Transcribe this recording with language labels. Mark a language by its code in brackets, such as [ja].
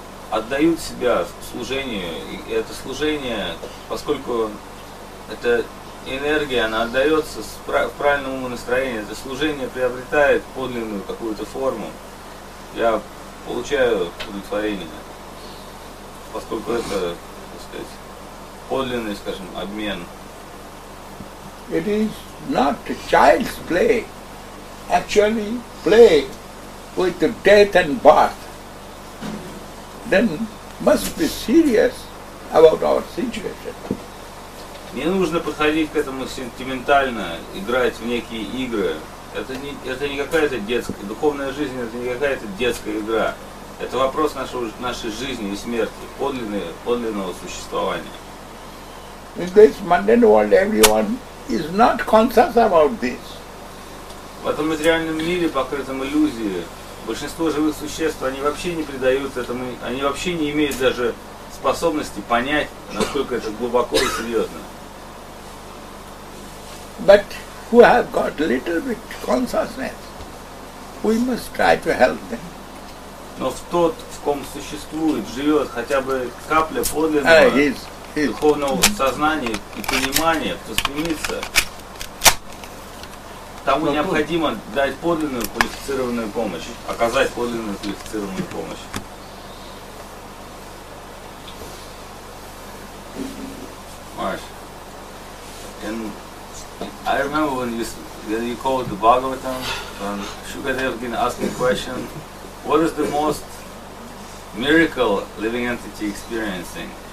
[ru] отдают себя служению, и это служение, поскольку эта энергия, она отдается в правильном умонастроении, это служение приобретает подлинную какую-то форму, я получаю удовлетворение, поскольку это, так сказать, подлинный, скажем, обмен. [en] It is not child's play, actually play with death and birth. Then must be serious about our situation. [ru] Не нужно подходить к этому сентиментально, играть в некие игры. Это не какая-то детская духовная жизнь, это не какая-то детская игра. Это вопрос нашей жизни и смерти, подлинного существования. [en] In this mundane world, everyone is not conscious about this. [ru] В этом материальном мире, покрытом иллюзией, большинство живых существ, они вообще не придают этому, они вообще не имеют даже способности понять, насколько это глубоко и серьезно. [en] But who have got little bit consciousness, we must try to help them. [ru] Но в тот, в ком существует, живет хотя бы капля подлинного духовного сознания и понимания, кто стремится, тому необходимо дать подлинную квалифицированную помощь, оказать подлинную квалифицированную помощь. [en] Маш, I remember when you called the Bhagavatam, when Shukadev been asking question, what is the most miracle living entity experiencing?